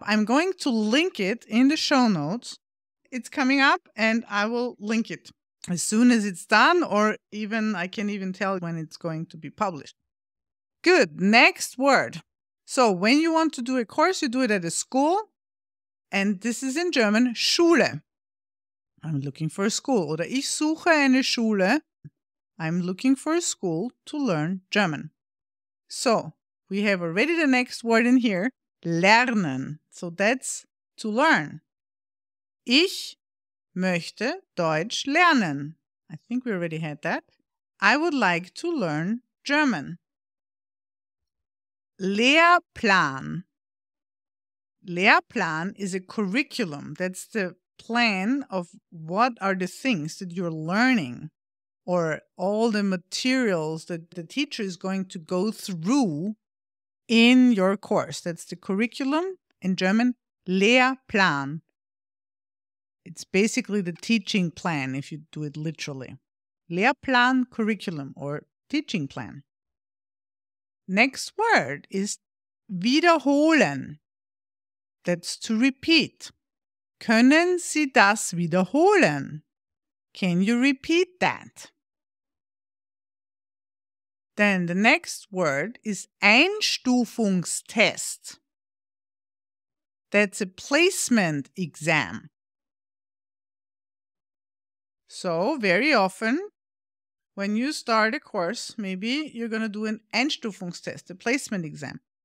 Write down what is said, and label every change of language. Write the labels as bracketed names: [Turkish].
[English] I'm going to link it in the show notes. It's coming up and I will link it as soon as it's done, or even I can even tell when it's going to be published. Good. Next word. So when you want to do a course, you do it at a school. And this is in German, Schule. I'm looking for a school. [German] Oder ich suche eine Schule. [English] I'm looking for a school to learn German. So we have already the next word in here, lernen. So that's to learn. [German] Ich möchte Deutsch lernen. [English] I think we already had that. I would like to learn German. Lehrplan. Lehrplan is a curriculum. That's the plan of what are the things that you're learning, or all the materials that the teacher is going to go through in your course. That's the curriculum in German, Lehrplan. It's basically the teaching plan, if you do it literally. Lehrplan, curriculum, or teaching plan. Next word is wiederholen. That's to repeat. [German] Können Sie das wiederholen? [English] Can you repeat that? Then the next word is Einstufungstest. That's a placement exam. So very often when you start a course, maybe you're going to do an Einstufungstest, a placement exam.